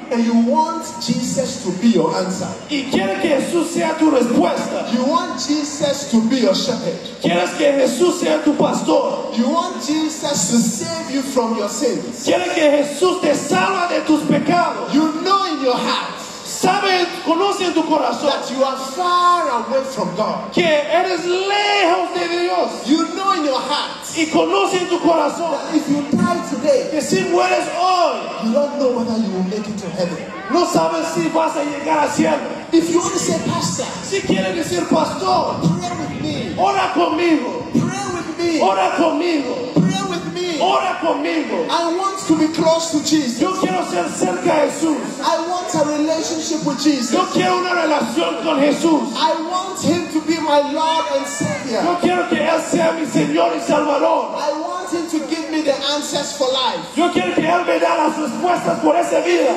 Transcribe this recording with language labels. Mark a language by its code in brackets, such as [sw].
[en] And you want Jesus to be your answer. [es] Y quiere que Jesús sea tu respuesta. [en] You want Jesus to be your shepherd. [es] Quieres que Jesús sea tu pastor. [en] You want Jesus to save you from your sins. [es] Quiere que Jesús te salva de tus pecados. [en] You know in your heart. [es] Sabe, conoce en tu corazón. [en] That you are far away from God. [es] Que eres lejos de Dios. [en] You know in your heart. [es] Y conoce en tu corazón. [en] That if you die today. [es] Que si mueres hoy. [en] You don't know whether you will make it to heaven. [es] No sabes si vas a llegar al cielo. [en] If you want to say pastor. [es] Si quieres decir pastor. [en] Pray with me. [es] Ora conmigo. [en] Pray with me. [es] Ora conmigo. [en] Pray with me. [es] Ora conmigo. [en] I want to be close to Jesus. [es] Yo quiero ser cerca de Jesús. [en] I want a relationship with Jesus. [es] Yo quiero una relación con Jesús. [en] I want him to be my Lord and Savior. [es] Yo quiero que él sea mi Señor y Salvador. [en] I want him to give me the answers for life. [es] Yo quiero que él me dé las respuestas por esa vida.